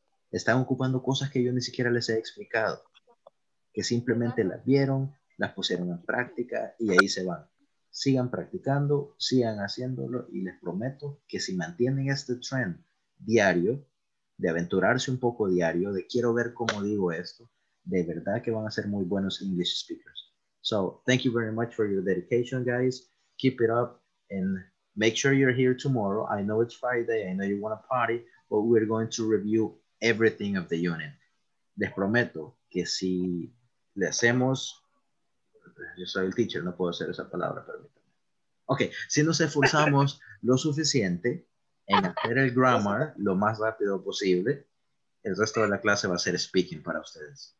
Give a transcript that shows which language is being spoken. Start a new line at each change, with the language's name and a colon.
Spanish: Están ocupando cosas que yo ni siquiera les he explicado, que simplemente las vieron, las pusieron en práctica y ahí se van. Sigan practicando, sigan haciéndolo y les prometo que si mantienen este trend diario, de aventurarse un poco diario, de quiero ver cómo digo esto, de verdad que van a ser muy buenos English speakers.
English: So, thank you very much for your dedication, guys. Keep it up and make sure you're here tomorrow. I know it's Friday, I know you want to party, but we're going to review everything of the unit.
Spanish: Les prometo que si le hacemos, yo soy el teacher, no puedo hacer esa palabra, permítanme. Okay, si nos esforzamos lo suficiente en hacer el grammar lo más rápido posible, el resto de la clase va a ser speaking para ustedes.